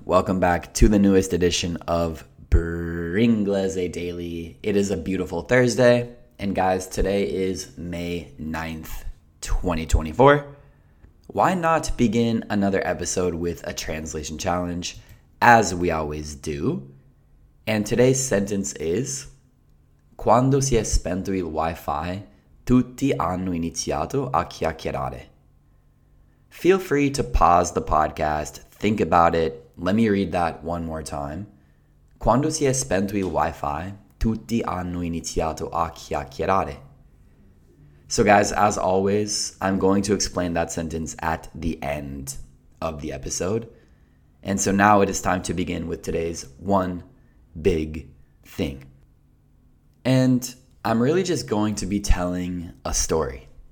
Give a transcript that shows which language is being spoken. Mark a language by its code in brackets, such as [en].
[en] Welcome back to the newest edition of Bringlese Daily. It is a beautiful Thursday, and guys, today is May 9th, 2024. Why not begin another episode with a translation challenge, as we always do? And today's sentence is, [it] quando si è spento il wifi, tutti hanno iniziato a chiacchierare. [en] Feel free to pause the podcast, think about it. Let me read that one more time. [it] Quando si è spento il wifi, tutti hanno iniziato a chiacchierare. [en] So guys, as always, I'm going to explain that sentence at the end of the episode. And so now it is time to begin with today's one big thing. And I'm really just going to be telling a story.